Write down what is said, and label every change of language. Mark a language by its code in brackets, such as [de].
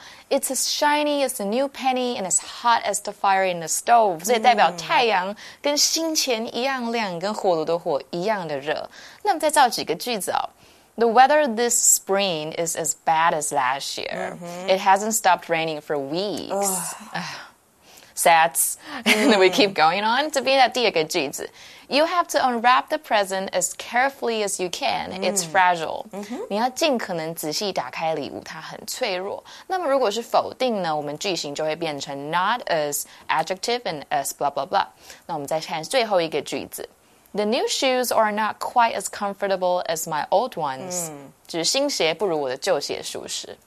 [en] It's as shiny as a new penny and as hot as the fire in the stove. [zh] 所以代表太阳跟新钱一样亮，跟火炉的火一样的热。那我们再造几个句子哦。 [en] The weather this spring is as bad as last year. It hasn't stopped raining for weeks. Sats. And we keep going on. [zh] 这边的第二个句子。 [en] You have to unwrap the present as carefully as you can. It's fragile. [zh] 你要尽可能仔细打开礼物，它很脆弱。那么如果是否定呢，我们句型就会变成 [en] not as adjective and as blah blah [zh] blah. 那我们再看最后一个句子。 [en] The new shoes are not quite as comfortable as my old ones. [zh] 指新鞋不如我的旧鞋舒适。